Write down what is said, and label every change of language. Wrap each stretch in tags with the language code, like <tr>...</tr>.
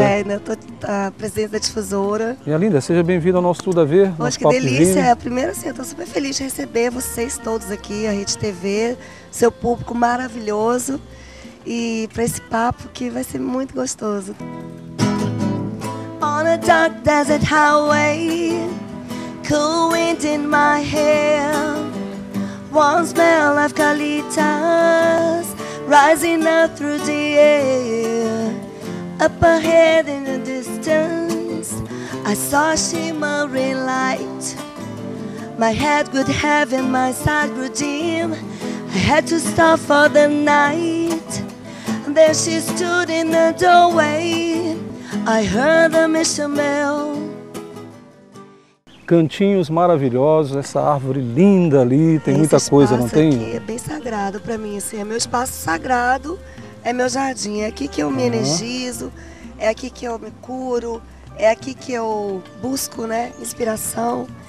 <pt>Coisa, é, né? Eu tô a presidente da difusora. Minha linda, seja bem-vinda ao nosso Tudo a Ver. Poxa, que Papo delícia, Vime. É a primeira, assim, eu tô super feliz de receber vocês todos aqui, a Rede TV, seu público maravilhoso. E para esse papo que vai ser muito gostoso.</pt> <en>On a dark desert highway, cool wind in my hair, warm smell of calitas rising up through the air. Up ahead in the distance, I saw a shimmering light. My head grew heavy and my sight grew dim. I had to stop for the night. There she stood in the doorway. I heard a mission bell.</en> <pt>Cantinhos maravilhosos, essa árvore linda ali, tem esse muita coisa, não tem? Aqui é bem sagrado para mim, assim, é meu espaço sagrado, é meu jardim, é aqui que eu me energizo, é aqui que eu me curo, é aqui que eu busco, né, inspiração.</pt>